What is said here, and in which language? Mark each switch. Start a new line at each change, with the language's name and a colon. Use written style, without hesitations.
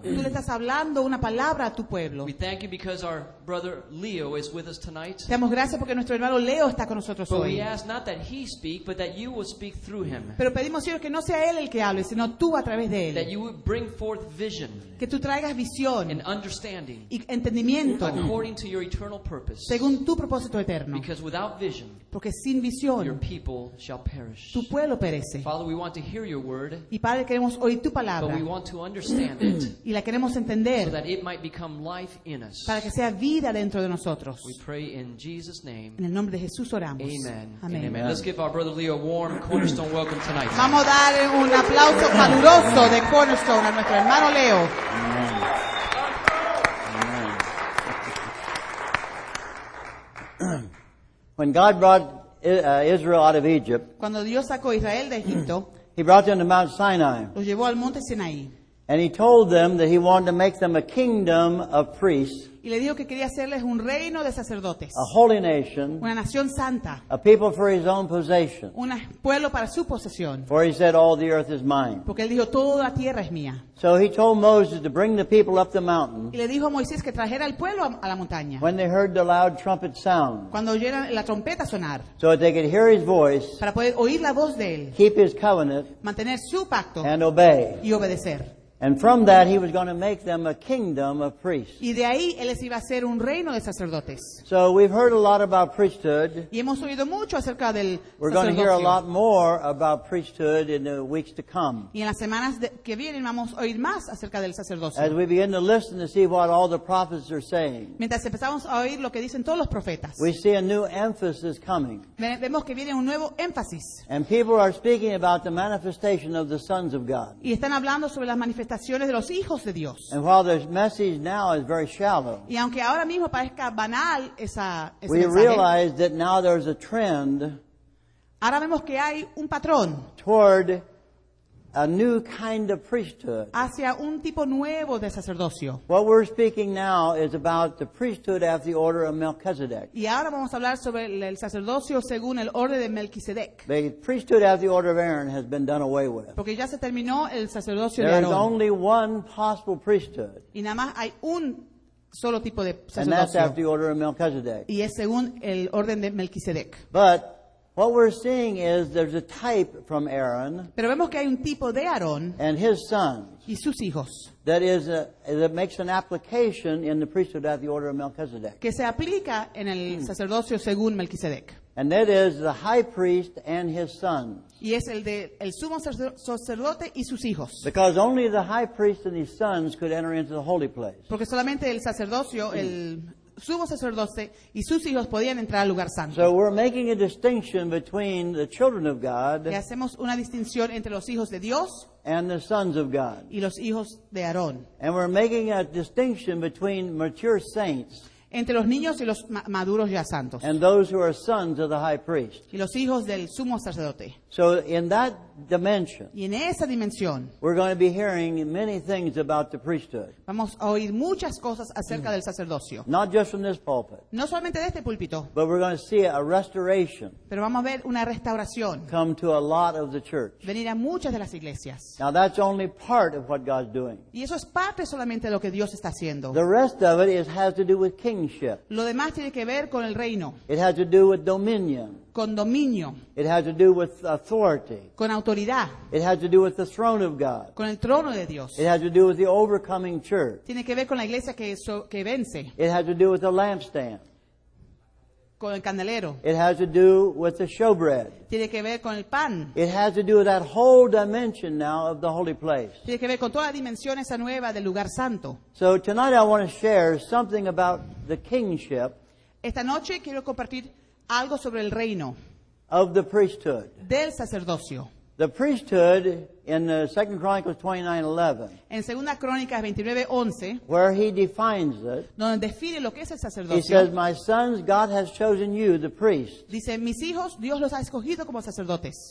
Spanish: Tú le estás hablando una palabra a tu pueblo.
English: We thank you because our brother Leo is with us tonight.
Spanish: Te damos gracias porque nuestro hermano Leo está con nosotros
English: but
Spanish: hoy.
English: We ask not that he speak, but that you will speak through him.
Spanish: Pero pedimos, Señor, que no sea él el que hable, sino tú a través de él.
English: That you would bring forth vision.
Spanish: Que tú traigas visión.
English: And understanding.
Spanish: Y entendimiento.
English: According to your eternal purpose.
Spanish: Según tu propósito eterno.
English: Because without vision.
Spanish: Porque sin visión.
English: Your people shall perish.
Spanish: Tu pueblo perece.
English: Father, we want to hear your word.
Spanish: Y Padre, queremos oír tu palabra.
English: But we want to understand it.
Spanish: Y la queremos entender.
English: So that it might become life in us.
Spanish: Para que sea vida dentro de nosotros.
English: We pray in Jesus' name.
Spanish: En el nombre de Jesús oramos.
English: Amen.
Spanish: Amen.
English: Amen. Let's give our brother Leo a warm Cornerstone welcome tonight.
Spanish: Vamos a dar un aplauso caluroso de Cornerstone a nuestro hermano Leo.
English: Amen. When God brought Israel out of Egypt,
Spanish: cuando Dios sacó Israel de Egipto,
English: he brought them to Mount Sinai.
Spanish: Los llevó al Monte Sinaí.
English: And he told them that he wanted to make them a kingdom of priests.
Spanish: Y le dijo que quería hacerles un reino de sacerdotes.
English: A holy nation.
Spanish: Una nación santa.
English: A people for his own possession.
Spanish: Un pueblo para su posesión.
English: For he said, all the earth is mine.
Spanish: Porque él dijo, toda la tierra es mía.
English: So he told Moses to bring the people up the mountain.
Spanish: Y le dijo a Moisés que trajera el pueblo a la montaña.
English: When they heard the loud trumpet sound.
Spanish: Cuando oyeran la trompeta sonar.
English: So that they could hear his voice.
Spanish: Para poder oír la voz de él.
English: Keep his covenant.
Spanish: Mantener su pacto.
English: And obey.
Spanish: Y obedecer.
English: And from that, he was going to make them a kingdom of priests.
Spanish: Y de ahí, él les iba a hacer un reino de sacerdotes.
English: So we've heard a lot about priesthood.
Spanish: Y hemos oído mucho acerca del sacerdocio.
English: We're going to hear a lot more about priesthood in the weeks to come.
Spanish: Y en las semanas que vienen, vamos a oír más acerca del sacerdocio.
English: As we begin to listen to see what all the prophets are saying.
Spanish: Mientras empezamos a oír lo que dicen todos los profetas.
English: We see a new emphasis coming.
Spanish: Vemos que viene un nuevo énfasis.
English: And people are speaking about the manifestation of the sons of God.
Spanish: Y están hablando sobre las manifestaciones de los hijos de Dios.
English: And while this message now is very shallow,
Spanish: y aunque ahora mismo parezca banal esa mensaje,
English: we realize that now there's a trend.
Spanish: Ahora vemos que hay un patrón
English: toward a new kind of priesthood.
Spanish: Hacia un tipo nuevo de sacerdocio.
English: What we're speaking now is about the priesthood after the order of Melchizedek.
Spanish: Y ahora vamos a hablar sobre el sacerdocio según el orden de Melquisedec.
English: The priesthood after the order of Aaron has been done away with.
Spanish: Porque ya se terminó el sacerdocio
English: there
Spanish: de Aarón.
English: There is only one possible priesthood.
Spanish: Y nada más hay un solo tipo de sacerdocio.
English: And that's after the order of Melchizedek.
Spanish: Y es según el orden de Melquisedec.
English: But what we're seeing is there's a type from Aaron.
Spanish: Pero vemos que hay un tipo de Aarón.
English: And his sons.
Spanish: Y sus hijos.
English: That makes an application in the priesthood at the order of Melchizedek.
Spanish: Que se aplica en el sacerdocio según Melquisedec.
English: And that is the high priest and his sons.
Spanish: Y es el de el sumo sacerdote y sus hijos.
English: Because only the high priest and his sons could enter into the holy place.
Spanish: Porque solamente el sacerdocio el sumo sacerdote y sus hijos podían entrar al lugar santo.
English: So we're making a distinction between the children of God.
Spanish: Y hacemos una distinción entre los hijos de Dios.
English: And the sons of God.
Spanish: Y los hijos de Aarón.
English: And we're making a distinction between mature saints.
Spanish: Entre los niños y los maduros ya santos.
English: And those who are sons of the high priest.
Spanish: Y los hijos del sumo sacerdote.
English: So in that dimension.
Spanish: Y en esa dimensión.
English: We're going to be hearing many things about the priesthood.
Spanish: Vamos a oír muchas cosas acerca del sacerdocio.
English: Not just from this pulpit.
Spanish: No solamente de este púlpito.
English: But we're going to see a restoration.
Spanish: Pero vamos a ver una restauración.
English: Come to a lot of the church.
Spanish: Venir a muchas de las iglesias.
English: Now that's only part of what God's doing.
Spanish: Y eso es parte solamente de lo que Dios está haciendo.
English: The rest of it has to do with kingship.
Spanish: Lo demás tiene que ver con el reino.
English: It has to do with dominion.
Spanish: Con dominio.
English: It has to do with authority.
Spanish: Con autoridad.
English: It has to do with the throne of God.
Spanish: Con el trono de Dios.
English: It has to do with the overcoming church.
Spanish: Tiene que ver con la iglesia que vence.
English: It has to do with the lampstand.
Spanish: Con el candelero.
English: It has to do with the showbread.
Spanish: Tiene que ver con el pan.
English: It has to do with that whole dimension now of the holy place.
Spanish: Tiene que ver con toda la dimensión esa nueva del lugar santo.
English: So tonight I want to share something about the kingship.
Spanish: Esta noche quiero compartir algo sobre el reino
English: of the priesthood.
Spanish: Del sacerdocio.
English: The priesthood in 2 Chronicles 29:11.
Spanish: En Segunda Crónicas 29:11.
English: Where he defines it.
Spanish: Donde define lo que es el sacerdocio.
English: He says, "My sons, God has chosen you, the priests."
Spanish: Dice, mis hijos, Dios los ha escogido como sacerdotes.